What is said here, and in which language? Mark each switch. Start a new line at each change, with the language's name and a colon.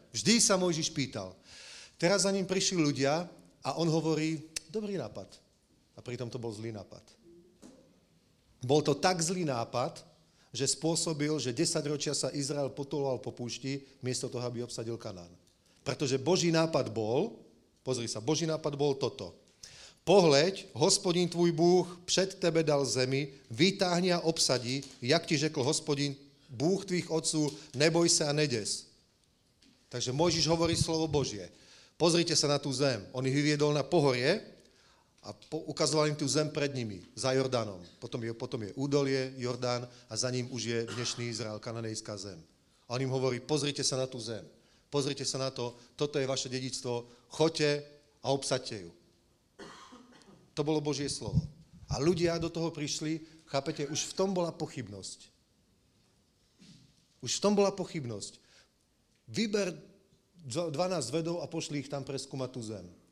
Slovak: Vždy sa Mojžiš pýtal. Teraz za ním prišli ľudia a on hovorí, dobrý nápad. A pritom to bol zlý nápad. Bol to tak zlý nápad, že spôsobil, že 10 ročia sa Izrael potuloval po púšti, miesto toho, aby obsadil Kanán. Pretože Boží nápad bol, pozri sa, Boží nápad bol toto.
Czech: Pohleď, Hospodin tvůj Bůh před tebe dal zemi, vytáhni a obsadí, jak ti řekl Hospodin Bůh tvých otců, neboj se a neděs.
Slovak: Takže Mojžiš hovorí slovo Božie. Pozrite sa na tú zem. On ich vyviedol na pohorie, a ukazoval im tú zem pred nimi, za Jordánom. Potom je údolie, Jordán, a za ním už je dnešný Izrael, kananejská zem. A on im hovorí, pozrite sa na tú zem. Pozrite sa na to, toto je vaše dedičstvo, choďte a obsaďte ju. To bolo Božie slovo. A ľudia do toho prišli, chápete, už v tom bola pochybnosť. Už v tom bola pochybnosť. Vyber 12 vedov a pošli ich tam preskúmať tú zem.